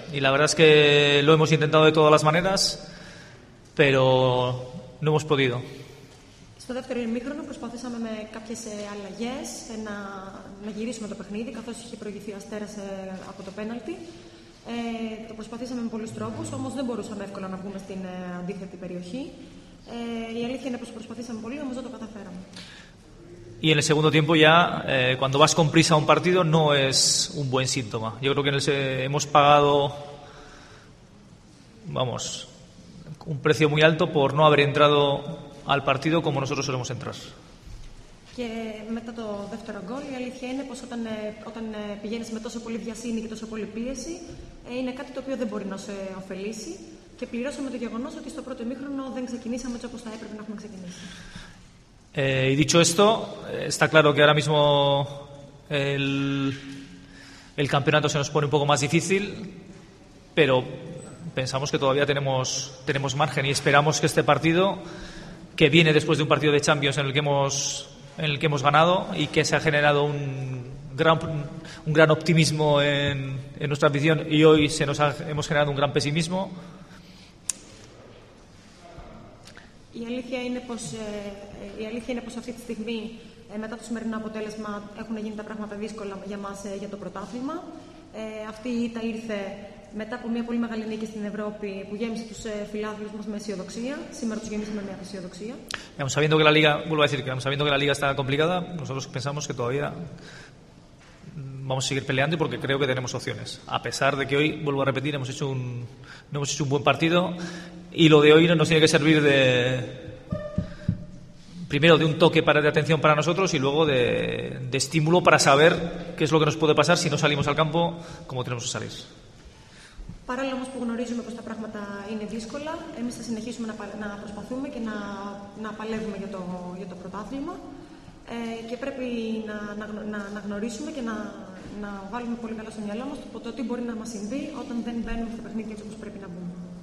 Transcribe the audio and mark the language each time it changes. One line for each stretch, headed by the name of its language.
Spanish: Y la verdad es que lo hemos intentado de todas las maneras, pero no hemos podido.
Greek: Στο δεύτερο ημίχρονο προσπαθήσαμε με κάποιες αλλαγές να γυρίσουμε το παιχνίδι, καθώς είχε προηγηθεί ο Αστέρας από το πέναλτι. Το προσπαθήσαμε με πολλούς τρόπους, όμως δεν μπορούσαμε εύκολα να βγούμε στην αντίθετη περιοχή. Η αλήθεια είναι πως προσπαθήσαμε πολύ, όμως δεν το καταφέραμε.
Spanish: Y en el segundo tiempo ya, cuando vas con prisa a un partido, no es un buen síntoma. Yo creo que hemos pagado, vamos, un precio muy alto por no haber entrado al partido como nosotros solemos entrar.
Greek: Και μετά το δεύτερο γκολ, η αλήθεια είναι πως όταν πηγαίνεις με τόσο πολύ βιασύνη και τόσο πολύ πίεση, είναι κάτι το οποίο δεν μπορεί να σε ωφελήσει. Και πληρώσαμε το γεγονός ότι στο πρώτο ημίχρονο δεν ξεκινήσαμε έτσι όπως θα έπρεπε να έχουμε ξεκινήσει.
Spanish: Y dicho esto, está claro que ahora mismo el campeonato se nos pone un poco más difícil, pero pensamos que todavía tenemos margen y esperamos que este partido, que viene después de un partido de Champions en el que hemos ganado y que se ha generado un gran optimismo en nuestra afición y hoy hemos generado un gran pesimismo.
Greek: Η αλήθεια είναι πως αυτή τη στιγμή, μετά το σημερινό αποτέλεσμα, έχουν γίνει τα πράγματα δύσκολα για μας για το πρωτάθλημα. Αυτή η ήττα ήρθε μετά από μια πολύ μεγάλη νίκη στην Ευρώπη που γέμισε τους φιλάθλους μας με αισιοδοξία. Σήμερα τους γεμίσαμε με αισιοδοξία.
Spanish: Sabiendo que la liga está complicada, nosotros pensamos que todavía vamos a seguir peleando porque creo que tenemos opciones. A pesar de que hoy, vuelvo a repetir, no hemos hecho un buen partido. Y lo de hoy nos tiene que servir de, primero, de un toque de atención para nosotros y luego de estímulo para saber qué es lo que nos puede pasar si no salimos al campo como tenemos que salir.
Greek: Παράλληλα όμως που γνωρίζουμε πως τα πράγματα είναι δύσκολα, εμείς θα συνεχίσουμε να προσπαθούμε και να παλεύουμε για το πρωτάθλημα και πρέπει να γνωρίσουμε και να βάλουμε πολύ καλά στο μυαλό μας το τι μπορεί να μας συμβεί όταν δεν μπαίνουμε στο παιχνίδι έτσι όπως πρέπει να μπούμε.